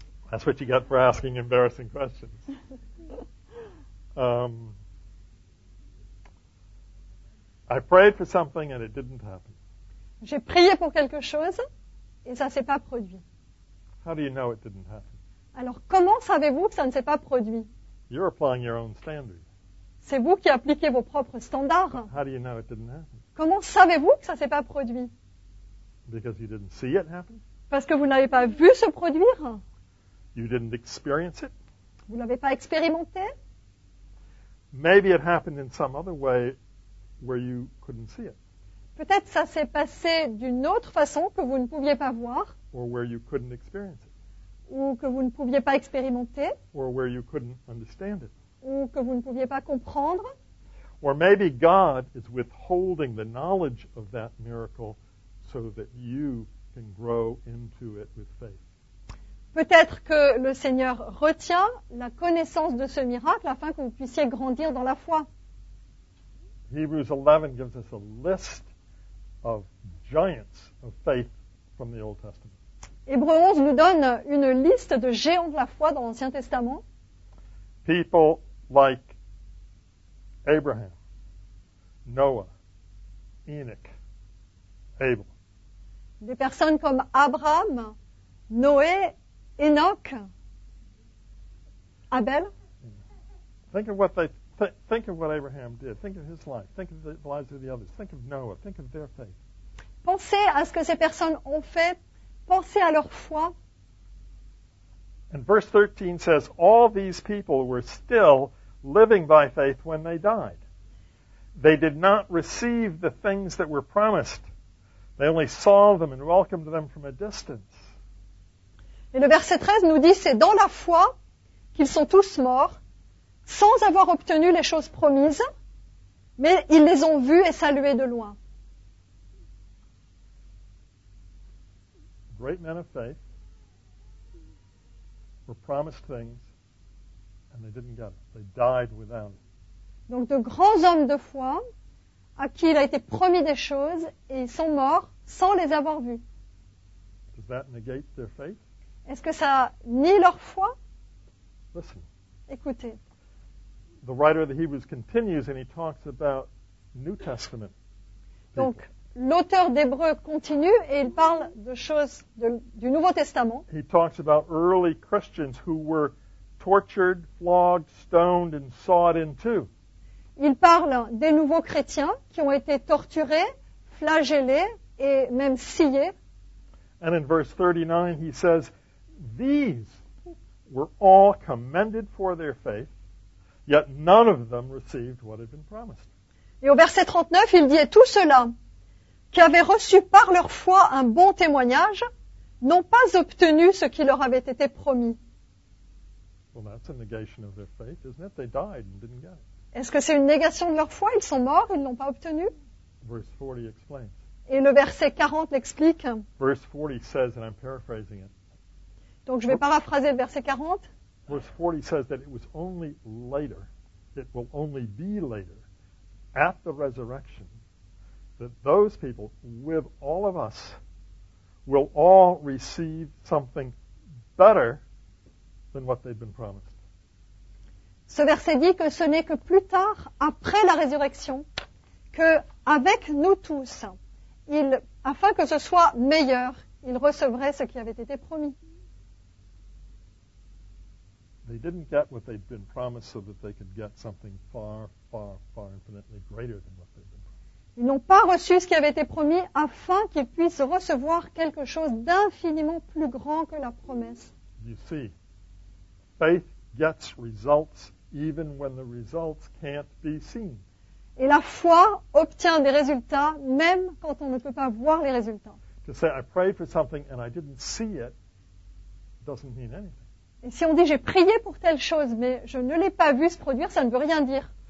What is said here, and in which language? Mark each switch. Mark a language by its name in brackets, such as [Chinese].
[English] That's what you get for asking embarrassing questions. I prayed for something and it didn't happen. [French] J'ai prié pour quelque chose et ça ne s'est pas produit. [English] How do you know it didn't happen? [French] Alors, comment savez-vous que ça ne s'est pas produit? [English] You're applying your own standards. [French] C'est vous qui appliquez vos propres standards. [English] How do you know it didn't happen? [French] Comment savez-vous que ça ne s'est pas produit? [English] Because you didn't see it happen. [French] Parce que vous n'avez pas vu se produire. [English] You didn't experience it. [French] Vous ne l'avez pas expérimenté. [English] Maybe it happened in some other way where you couldn't see it. [French] Peut-être ça s'est passé d'une autre façon que vous ne pouviez pas voir. [English] Or where you couldn't experience it. [French] Ou que vous ne pouviez pas expérimenter. [English] Or where you couldn't understand it. [French] Ou que vous ne pouviez pas comprendre. [English] Or maybe God is withholding the knowledge of that miracle so that you can grow into it with faith. [French] Peut-être que le Seigneur retient la connaissance de ce miracle afin que vous puissiez grandir dans la foi. [English] Hebrews 11 gives us a list of giants of faith from the Old Testament. [French] Hébreux 11 nous donne une liste de géants de la foi dans l'Ancien Testament. [English] People like Abraham, Noah, Enoch, Abel. [French] Des personnes comme Abraham, Noé, Enoch, Abel. [English] Think of what they Think of what Abraham did. Think of his life. Think of the lives of the others. Think of Noah. Think of their faith. [French] Pensez à ce que ces personnes ont fait. Pensez à leur foi. [English] And verse 13 says, all these people were still living by faith when they died. They did not receive the things that were promised. They only saw them and welcomed them from a distance. [French] Et le verset 13 nous dit, c'est dans la foi qu'ils sont tous morts, sans avoir obtenu les choses promises, mais ils les ont vues et saluées de loin. [English] Great men of faith were promised things and they didn't get it. They died without it. [French] Donc de grands hommes de foi à qui il a été promis des choses et ils sont morts sans les avoir vus. [English] Does that negate their faith? [French] Est-ce que ça nie leur foi? [English] Listen. [French] Écoutez. [English] The writer of the Hebrews continues and he talks about New Testament people. [French] Donc l'auteur d'Hébreux continue et il parle de choses du Nouveau Testament. [English] He talks about early Christians who were tortured, flogged, stoned and sawed in two. [French] Il parle des nouveaux chrétiens qui ont été torturés, flagellés et même sciés. [English] And in verse 39, he says, these were all commended for their faith, yet none of them received what had been promised. [French] Et au verset 39, il dit, et tous ceux-là qui avaient reçu par leur foi un bon témoignage n'ont pas obtenu ce qui leur avait été promis. [English] Well, that's a negation of their faith, isn't it? They died and didn't get it. [French] Est-ce que c'est une négation de leur foi? Ils sont morts, ils ne l'ont pas obtenu. [English] Verse 40 explains. [French] Et le verset 40 l'explique. [English] Verse 40 says, and I'm paraphrasing it. [French] Donc je vais paraphraser le verset 40. [English] Verse 40 says that it was only later, it will only be later, at the resurrection, that those people, with all of us, will all receive something better than what they've been promised. [French] Ce verset dit que ce n'est que plus tard, après la résurrection, qu'avec nous tous, afin que ce soit meilleur, ils recevraient ce qui avait été promis. [English] They didn't get what they'd been promised so that they could get something far, far, far infinitely greater than what they'd been promised. [French] Ils n'ont pas reçu ce qui avait été promis afin qu'ils puissent recevoir quelque chose d'infiniment plus grand que la promesse. [English] You see, faith gets results even when the results can't be seen. [French] Et la foi obtient des résultats même quand on ne peut pas voir les résultats. [English] To say I prayed for something and I didn't see it doesn't mean anything. [French] Et si on dit j'ai prié pour telle chose mais je ne l'ai pas vu se produire, ça ne veut rien dire.